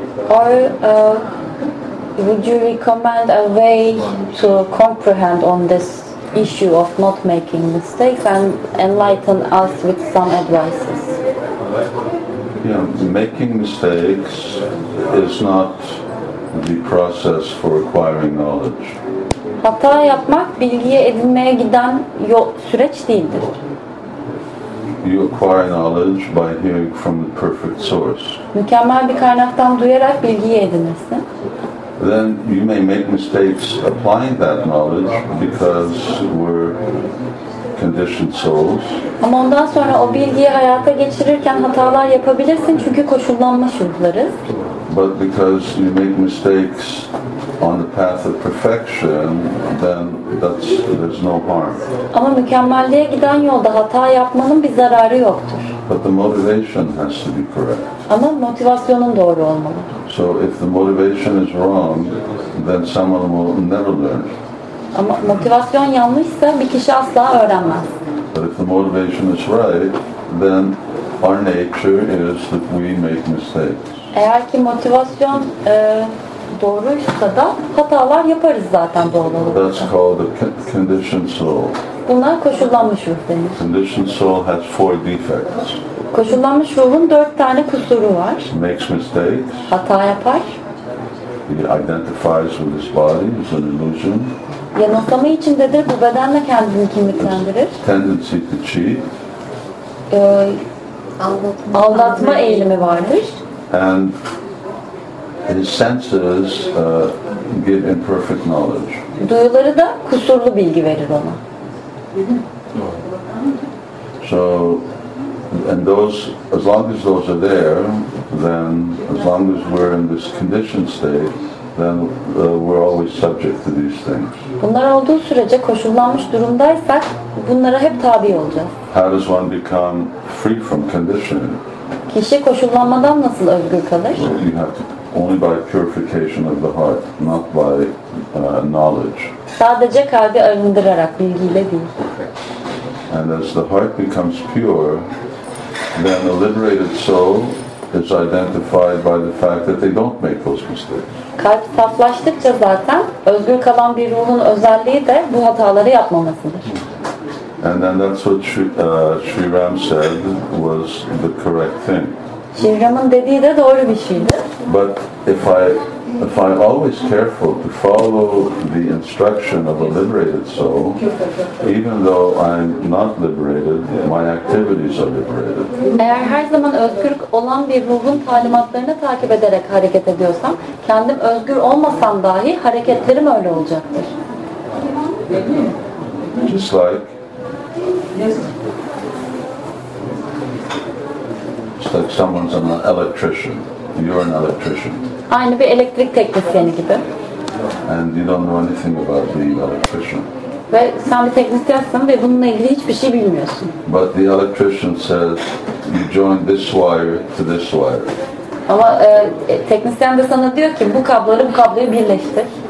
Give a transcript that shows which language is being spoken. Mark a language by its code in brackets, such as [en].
[en] Or would you recommend a way to comprehend on this issue of not making mistakes and enlighten us with some advices? Yeah, making mistakes is not the process for acquiring knowledge. [tr] Hata yapmak bilgiye edinmeye giden yol, süreç değildir. [en] You acquire knowledge by hearing from the perfect source. [tr] Mükemmel bir kaynaktan duyarak bilgiyi edinirsin. [en] Then you may make mistakes applying that knowledge because we're conditioned souls. [tr] Ama ondan sonra o bilgiyi hayata geçirirken hatalar yapabilirsin çünkü koşullanmış ruhlarız. [en] But because you make mistakes on the path of perfection, then there's no harm. [tr] Ama mükemmelliğe giden yolda hata yapmanın bir zararı yoktur. [en] But the motivation has to be correct. [tr] Ama motivasyonun doğru olmalı. [en] So if the motivation is wrong, then someone will never learn. [tr] Ama motivasyon yanlışsa bir kişi asla öğrenmez. [en] But if the motivation is right, then our nature is that we make mistakes. [tr] Eğer ki motivasyon doğruysa da hatalar yaparız zaten doğal olarak. [en] That's called a conditioned soul. [tr] Buna koşullanmış ruh denir. [en] Conditioned soul has four defects. [tr] Koşullanmış ruhun dört tane kusuru var. [en] It makes mistakes. [tr] Hata yapar. [en] It identifies with his body, it's an illusion. [tr] Yanılsama içindedir, bu bedenle kendini kimliklendirir. [en] It's tendency to cheat. [tr] Aldatma eğilimi vardır. [en] And his senses give imperfect knowledge. [tr] Duyuları da kusurlu bilgi verir ona. [en] So, and those, as long as those are there, then as long as we're in this conditioned state, then we're always subject to these things. [tr] Bunlar olduğu sürece koşullanmış durumdaysak, bunlara hep tabi olacağız. [en] How does one become free from conditioning? [tr] Kişi koşullanmadan nasıl özgür kalır? [en] Well, you have to, only by purification of the heart, not by knowledge. [tr] Sadece kalbi arındırarak, bilgiyle değil. [en] And as the heart becomes pure, then a liberated soul is identified by the fact that they don't make those mistakes. [tr] Kalp saflaştıkça zaten özgür kalan bir ruhun özelliği de bu hataları yapmamasıdır. [en] And then that's what Sri Ram said was the correct thing. [tr] Sri Ram'ın dediği de doğru bir şeydi. [en] But if I'm always careful to follow the instruction of a liberated soul, even though I'm not liberated, my activities are liberated. [tr] Eğer her zaman özgür olan bir ruhun talimatlarını takip ederek hareket ediyorsam, kendim özgür olmasam dahi hareketlerim öyle olacaktır. [en] Just like someone's an electrician. You're an electrician. [tr] Aynı bir elektrik teknisyeni gibi. [en] And you don't know anything about being an electrician. [tr] Ve sen bir teknisyensin ve bununla ilgili hiçbir şey bilmiyorsun. [en] But the electrician says you join this wire to this wire. [tr] Ama teknisyen de sana diyor ki bu kabloları bu kabloyu birleştir.